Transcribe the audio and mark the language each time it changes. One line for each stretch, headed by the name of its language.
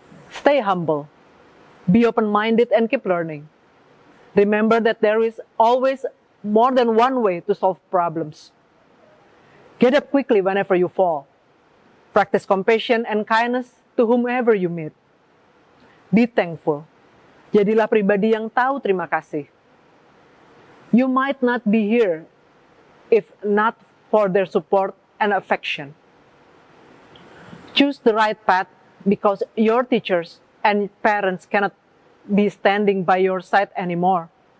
English: Stay humble, be open-minded, and keep learning. Remember that there is always more than one way to solve problems. Get up quickly whenever you fall. Practice compassion and kindness to whomever you meet. Be thankful.
Indonesian: Jadilah pribadi yang tahu terima kasih.
English: You might not be here if not for their support and affection. Choose the right path because your teachers and parents cannot be standing by your side anymore.